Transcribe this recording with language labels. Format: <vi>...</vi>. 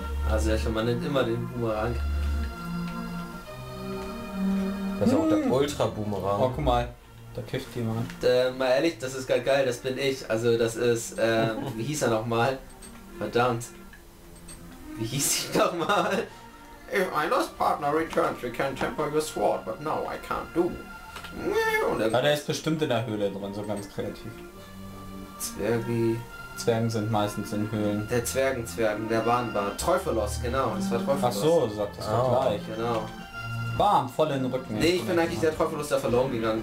<de>Also ja schon, man nimmt immer den Boomerang. Das ist auch der Ultra-Boomerang. Oh, guck mal. Da kifft jemand. Mal ehrlich, das ist gar geil, das bin ich. Also das ist, wie hieß er nochmal? Verdammt. Wie hieß ich nochmal?</de> <en>If my lost partner returns, we can temper your sword, but now I can't do.</en> <de>Ja, der ist bestimmt in der Höhle drin, so ganz kreativ. Zwergi. Zwergen sind meistens in Höhlen. Der Zwergen, der Bahnbart. Teufelos, genau. Das war Teufelos. Ach so, sagt das doch gleich. Genau. Bam, voll in den Rücken. Nee, ich bin eigentlich der Teufelus, der verloren gegangen</de>